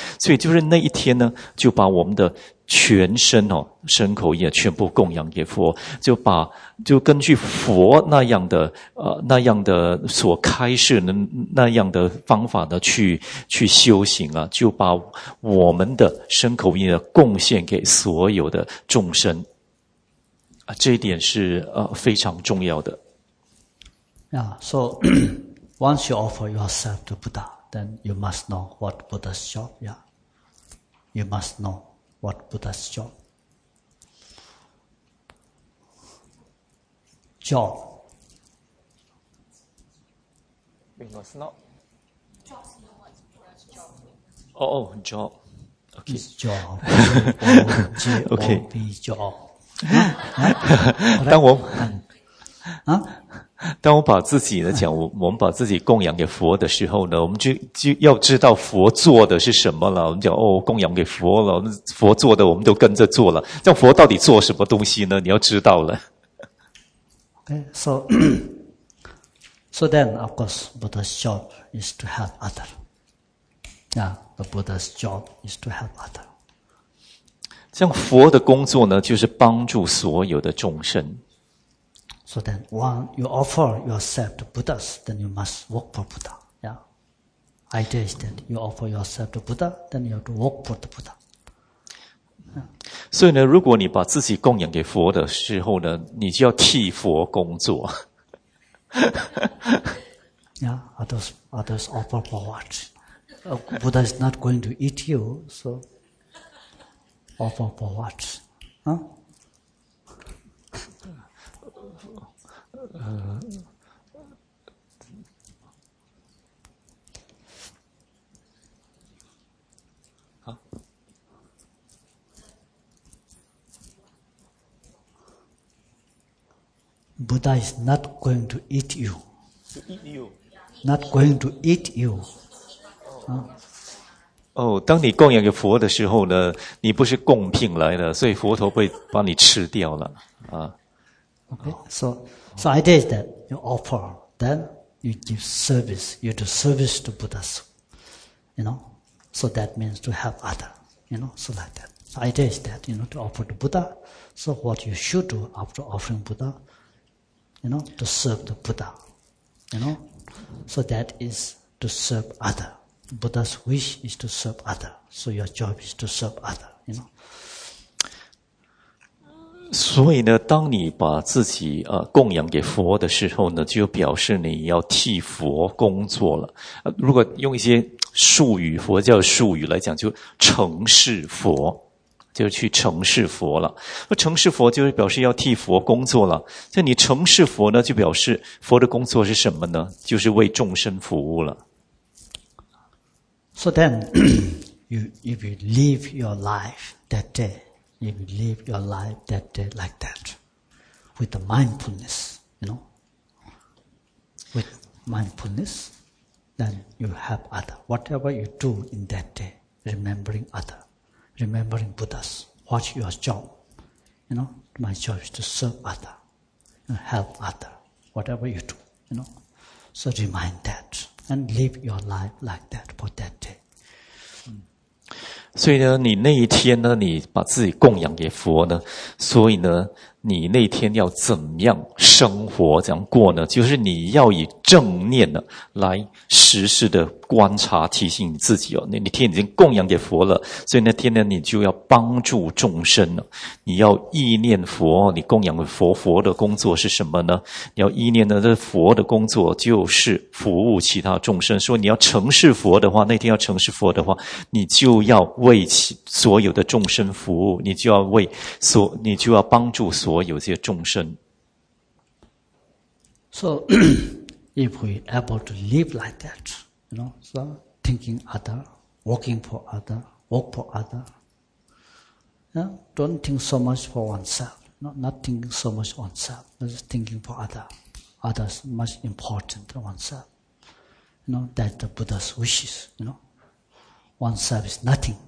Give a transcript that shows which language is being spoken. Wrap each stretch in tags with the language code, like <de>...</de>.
<zh>所以就是那一天呢，就把我们的全身哦，身口意全部供养给佛，就根据佛那样的那样的所开示的那样的方法呢去修行啊，就把我们的身口意呢贡献给所有的众生啊，这一点是非常重要的。</zh> <en>Yeah, so once you offer yourself to Buddha, then you must know what Buddha's job. Yeah, you must know what Buddha's job. Job. We must not. Job. Oh, job. Okay. It's job. J-O-B, okay. Job. Job.</en> <zh>当我当我把自己呢讲，我们把自己供养给佛的时候呢，我们就要知道佛做的是什么了。我们讲哦，供养给佛了，佛做的我们都跟着做了。这样佛到底做什么东西呢？你要知道了。</zh> <en>So then, of course, Buddha's job is to help other. Yeah, the Buddha's job is to help other.</en> <zh>像佛的工作呢，就是帮助所有的众生。</zh> <en>So then, when you offer yourself to Buddha's, then you must work for Buddha. Yeah, idea is that you offer yourself to Buddha, then you have to work for the Buddha.</en> <zh>所以呢，如果你把自己供养给佛的时候呢，你就要替佛工作。</zh> <en>Yeah, others offer for what? Buddha is not going to eat you, so offer for what? Huh? Buddha is not going to eat you. To eat you? Not going to eat you.</en> <zh>当你供养给佛的时候呢，你不是供品来的，所以佛陀会把你吃掉了。</zh> <en>Okay, so idea is that you offer, then you give service, you do service to Buddha. You know, so that means to help other, you know, so like that. So idea is that, you know, to offer to Buddha. So what you should do after offering Buddha,You know, to serve the Buddha, you know, so that is to serve other. Buddha's wish is to serve other, so your job is to serve other, you know.</en> <zh>所以呢，当你把自己供养给佛的时候呢，就表示你要替佛工作了。如果用一些术语，佛教术语来讲，就成事佛。就去承事佛了。承事佛就是表示要替佛工作了。所以你承事佛呢，就表示佛的工作是什么呢？就是为众生服务了。</zh> <en>So then, if you live your life that day, if you live your life that day like that, with the mindfulness, you know, with mindfulness, then you have other. Whatever you do in that day, remembering other. Remembering Buddhas, what's your job? You know, my job is to serve other, you know, help other, whatever you do, you know. So remind that and live your life like that for that day.</en> <zh>所以呢，你那一天呢，你把自己供养给佛呢，所以呢，你那天要怎么样生活，怎样过呢？就是你要以正念呢，来时时的观察，提醒你自己哦。那你天已经供养给佛了，所以那天呢，你就要帮助众生了。你要意念佛，你供养佛，佛的工作是什么呢？你要意念呢，这佛的工作就是服务其他众生。所以你要承事佛的话，那天要承事佛的话，你就要为所有的众生服务，你就要为所，你就要帮助所有些众生。</zh> <en>So, if we able to live like that, you know, so thinking other, working for other, work for other, yeah, don't think so much for oneself, not thinking so much oneself, just thinking for other, others much important than oneself, you know, that the Buddha's wishes, you know. Oneself is nothing.</en>